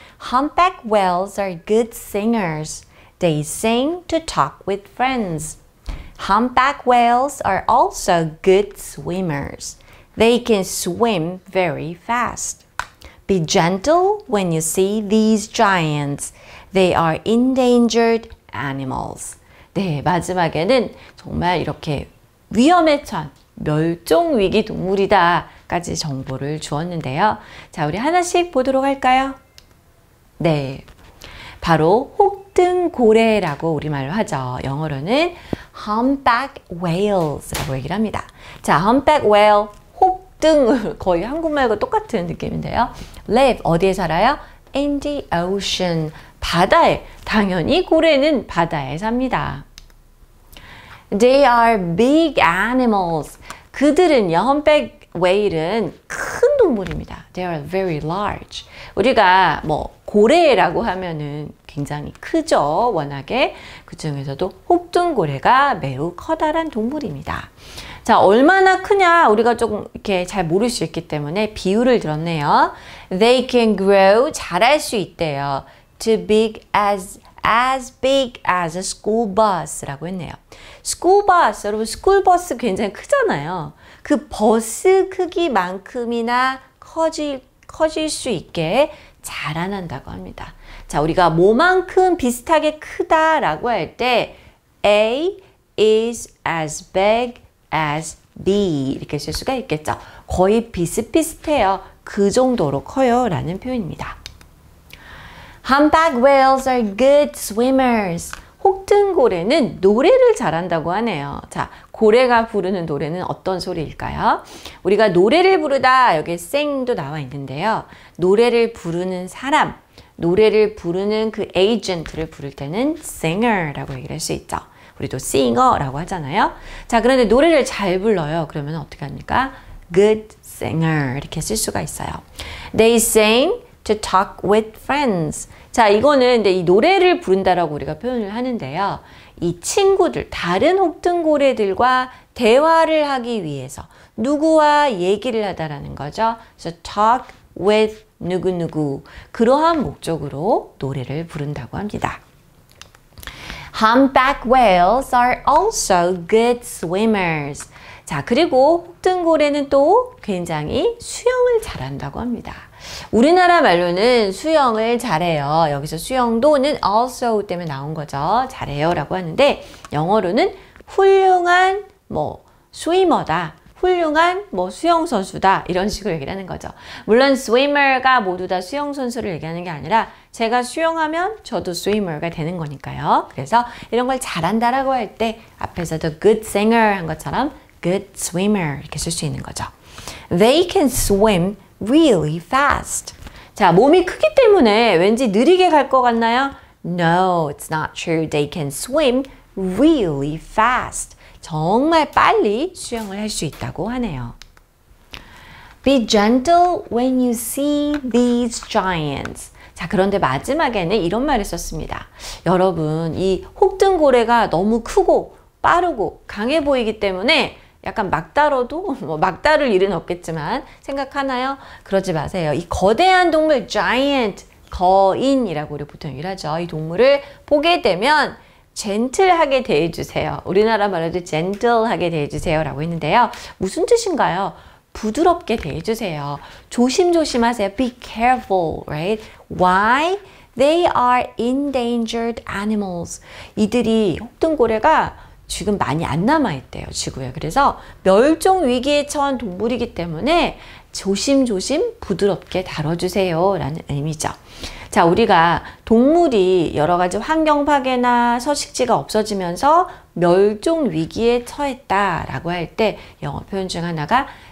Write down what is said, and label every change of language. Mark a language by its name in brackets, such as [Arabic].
[English] Humpback whales are good singers. They sing to talk with friends. Humpback whales are also good swimmers. They can swim very fast. Be gentle when you see these giants. They are endangered animals. [Korean] 네, 마지막에는 정말 이렇게 위험에 처한 멸종 위기 동물이다까지 정보를 주었는데요. 자, 우리 하나씩 보도록 할까요? 네. 바로 혹등고래라고 우리말로 하죠. 영어로는 humpback whales라고 얘기를 합니다. 자, humpback whale, 혹등, 거의 한국말과 똑같은 느낌인데요. live, 어디에 살아요? [English] in the ocean, [Korean] 바다에. 당연히 고래는 바다에 삽니다. [English] They are big animals. [Korean] 그들은요, humpback whale은 큰 동물입니다. [English] They are very large. [Korean] 우리가 뭐 고래라고 하면은 굉장히 크죠, 워낙에. 그중에서도 혹등고래가 매우 커다란 동물입니다. 자, 얼마나 크냐 우리가 조금 이렇게 잘 모를 수 있기 때문에 비유를 들었네요. [English] They can grow [Korean] 자랄 수 있대요. [English] To big as big as a school bus라고 했네요. [Korean] School bus, 여러분, school bus 굉장히 크잖아요. 그 버스 크기만큼이나 커질 수 있게 자라난다고 합니다. 자, 우리가 뭐만큼 비슷하게 크다라고 할 때, [English] A is as big as B [Korean] 이렇게 쓸 수가 있겠죠. 거의 비슷비슷해요. 그 정도로 커요라는 표현입니다. [English] Humpback whales are good swimmers. [Korean] 혹등고래는 노래를 잘한다고 하네요. 자, 고래가 부르는 노래는 어떤 소리일까요? 우리가 노래를 부르다, 여기 sing도 나와 있는데요. 노래를 부르는 사람, 노래를 부르는 그 에이전트를 부를 때는 singer라고 얘기를 할수 있죠. 우리도 singer라고 하잖아요. 자, 그런데 노래를 잘 불러요. 그러면 어떻게 합니까? good singer 이렇게 쓸 수가 있어요. [English] They sing to talk with friends. [Korean] 자, 이거는 이제 이 노래를 부른다라고 우리가 표현을 하는데요. 이 친구들, 다른 혹등고래들과 대화를 하기 위해서 누구와 얘기를 하다라는 거죠. [English] So talk with 누구누구. [Korean] 그러한 목적으로 노래를 부른다고 합니다. [English] Humpback whales are also good swimmers. [Korean] 자, 그리고 혹등고래는 또 굉장히 수영을 잘한다고 합니다. 우리나라 말로는 수영을 잘해요. 여기서 수영도는 also 때문에 나온 거죠. 잘해요라고 하는데 영어로는 훌륭한 뭐 swimmer다, 훌륭한 뭐 수영 선수다 이런 식으로 얘기를 하는 거죠. 물론 swimmer가 모두 다 수영 선수를 얘기하는 게 아니라 제가 수영하면 저도 swimmer가 되는 거니까요. 그래서 이런 걸 잘한다라고 할때 앞에서도 good singer 한 것처럼 good swimmer 이렇게 쓸수 있는 거죠. [English] They can swim really fast. [Korean] 자, 몸이 크기 때문에 왠지 느리게 갈것 같나요? [English] No, it's not true. They can swim really fast. [Korean] 정말 빨리 수영을 할수 있다고 하네요. [English] Be gentle when you see these giants. [Korean] 자, 그런데 마지막에는 이런 말을 썼습니다. 여러분, 이 혹등고래가 너무 크고 빠르고 강해 보이기 때문에 약간 막 다뤄도, 뭐, 막 다룰 일은 없겠지만, 생각하나요? 그러지 마세요. 이 거대한 동물, giant, 거인이라고 우리 보통 얘기를 하죠. 이 동물을 보게 되면, 젠틀하게 대해주세요. 우리나라 말로도 젠틀하게 대해주세요라고 했는데요. 무슨 뜻인가요? 부드럽게 대해주세요. 조심조심 하세요. [English] Be careful, right? Why? They are endangered animals. [Korean] 이들이, 혹등고래가, 지금 많이 안 남아있대요, 지구에. 그래서 멸종 위기에 처한 동물이기 때문에 조심조심 부드럽게 다뤄주세요라는 의미죠. 자, 우리가 동물이 여러 가지 환경 파괴나 서식지가 없어지면서 멸종 위기에 처했다라고 할때 영어 표현 중 하나가